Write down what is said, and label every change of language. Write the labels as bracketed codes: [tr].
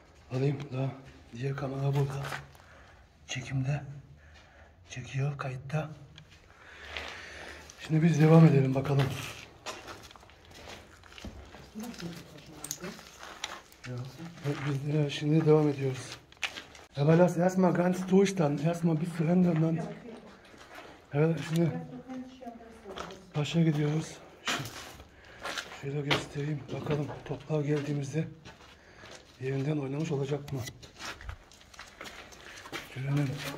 [tr] Alayım da diğer kamera burada çekimde çekiyor, kayıtta. Şimdi biz devam edelim bakalım. Biz ya, şimdi devam ediyoruz. [de] Aber lass erstmal ganz durch dann, erstmal bis zu Ende und dann. [tr] Ja, şimdi başa gidiyoruz. Şöyle göstereyim bakalım toprağa geldiğimizde yerinden oynamış olacak mı? Görünüm.